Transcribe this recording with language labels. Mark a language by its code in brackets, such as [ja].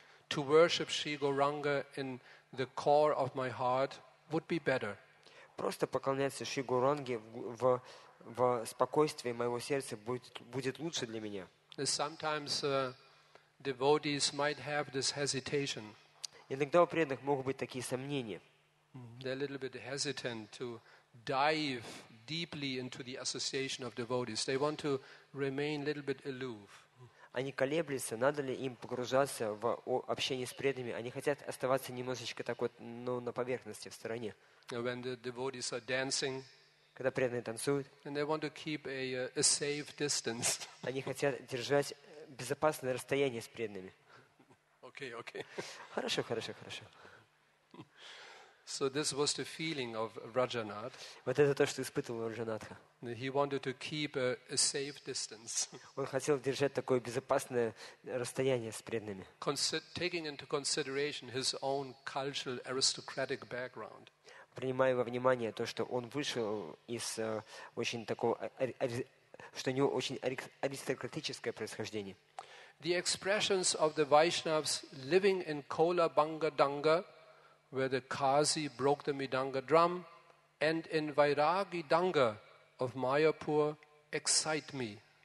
[en] To worship Sri Gauranga in the core of my heart would be better. [ru] Просто поклоняться Шри Гауранге в спокойствии моего сердца будет лучше для меня. [en] Sometimes devotees might have this hesitation. [ru] Иногда у преданных могут быть такие сомнения. [en] They're a little bit hesitant to dive deeply into the association of devotees. They want to remain a little bit aloof. [ru] Они колеблются, надо ли им погружаться в общение с преданными. Они хотят оставаться немножечко так вот, ну, на поверхности, в стороне. [en] When the devotees are dancing, [ru] когда преданные танцуют, [en] and they want to keep a safe distance. [ru] Они хотят держать безопасное расстояние с преданными. [en] Okay, okay. [ru] Хорошо, хорошо, хорошо. [en] So this was the feeling of Rajanath. [ru] Вот это то, что испытывал Раджанатха. [en] He wanted to keep a safe distance. [ru] Он хотел держать такое безопасное расстояние с преданными. [en] Taking into consideration his own cultural aristocratic background. [ru] Принимая во внимание то, что он вышел из очень такого, что у него очень аристократическое происхождение. [en] The expressions of the Vaishnavas living in Kola Banga Danga, where the Kazi broke the Midanga drum, and in Vairagi Danga of Mayapur excite me.